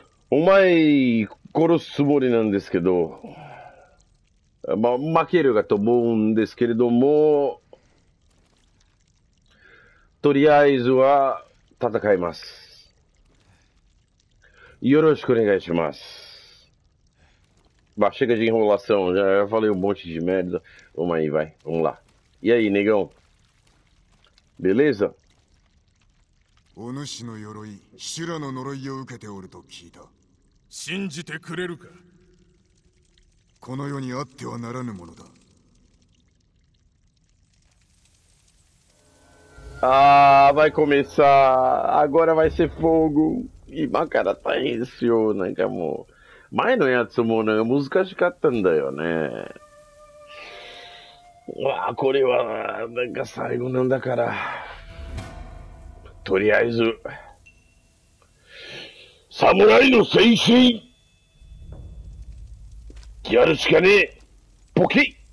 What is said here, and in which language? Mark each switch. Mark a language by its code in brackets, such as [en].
[ja] お前、殺すつもりなんですけど、まあ、負けるかと思うんですけれども、とりあえずは戦います。よろしくお願いします。 [pt] まあ、chega de enrolação, já falei um monte de merda. Vamos aí, vai, vamos lá. E aí, negão? Beleza? [ja] お主の鎧、修羅の呪いを受けておると聞いた。信じてくれるか？この世にあってはならぬものだ。 [pt] Ah, vai começar. Agora vai ser fogo. E Macara tá ansioso, né, amor? Mas não é a Tsumona, é a música de Katanda, né? [ja] Ah, これはなんか最後なんだから。とりあえず、侍の精神、やるしかねえ。ポキッ。